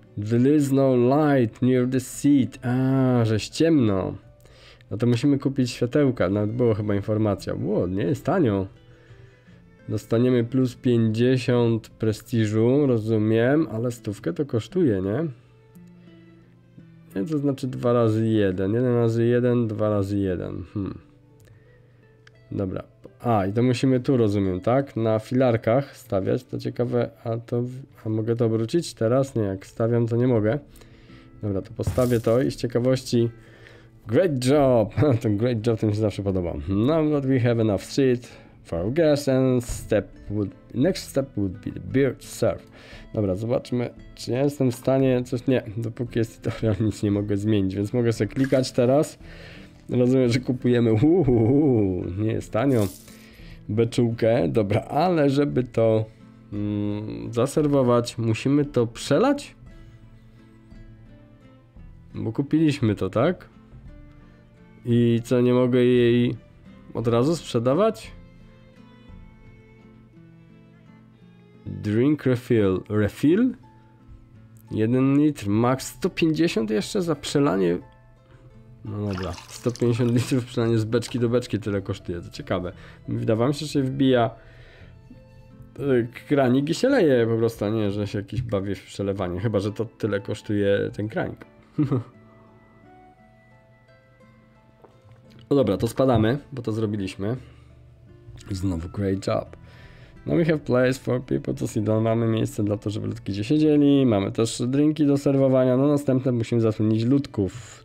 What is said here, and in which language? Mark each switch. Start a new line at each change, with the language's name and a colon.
English: There is no light near the seat.
Polish: A, żeś ciemno. No to musimy kupić światełka, nawet była chyba informacja. Ło, nie jest tanio. Dostaniemy plus 50 prestiżu, rozumiem, ale stówkę to kosztuje, nie? Nie, to znaczy 2 razy 1. 1 razy 1, 2 razy 1. Dobra. A, i to musimy tu, rozumiem, tak? Na filarkach stawiać, to ciekawe. A to, a mogę to obrócić teraz? Nie, jak stawiam, to nie mogę. Dobra, to postawię to i z ciekawości...
English: Great job!
Polish: To
English: great job,
Polish: to mi się zawsze podoba.
English: Now that we have enough seat for our guests and step would, next step would be the beer to serve.
Polish: Dobra, zobaczmy, czy ja jestem w stanie coś... Nie, dopóki jest tutorial, nic nie mogę zmienić, więc mogę sobie klikać teraz. Rozumiem, że kupujemy... nie jest tanio. Beczułkę, dobra, ale żeby to zaserwować, musimy to przelać? Bo kupiliśmy to, tak? I co, nie mogę jej od razu sprzedawać?
English: Drink refill. Refill?
Polish: 1 litr, max 150 jeszcze za przelanie. No dobra, 150 litrów przelanie z beczki do beczki tyle kosztuje, to ciekawe. Wydawało mi się, że się wbija kranik i się leje po prostu, a nie, że się jakiś bawi w przelewanie. Chyba, że to tyle kosztuje ten kranik. No dobra, to spadamy, bo to zrobiliśmy. Znowu
English: great job. No we have place for people to sit down.
Polish: Mamy miejsce dla to, żeby ludki gdzie siedzieli. Mamy też drinki do serwowania. No następne musimy zatrudnić ludków.